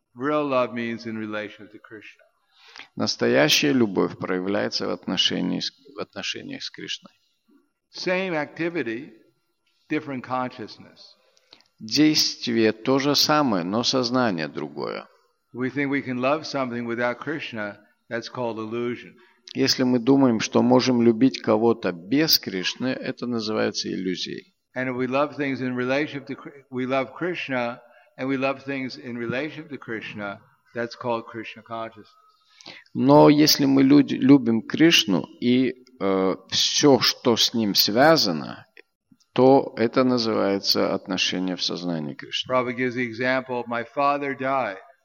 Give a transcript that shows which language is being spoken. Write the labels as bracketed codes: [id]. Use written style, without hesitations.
[en] Real love means in relation to Krishna. [ru] Настоящая любовь проявляется в отношениях с Кришной. [en] Same activity, different consciousness. [ru] Действие то же самое, но сознание другое. [en] We think we can love something without Krishna, that's called illusion. [ru] Если мы думаем, что можем любить кого-то без Кришны, это называется иллюзией. [en] And we love things in relation to we love Krishna, and we love things in relation to Krishna, that's called Krishna consciousness. [ru] Но если мы любим Кришну и все, что с ним связано, то это называется отношение в сознании Кришны. [en] Prabhupada gives the example of my father died.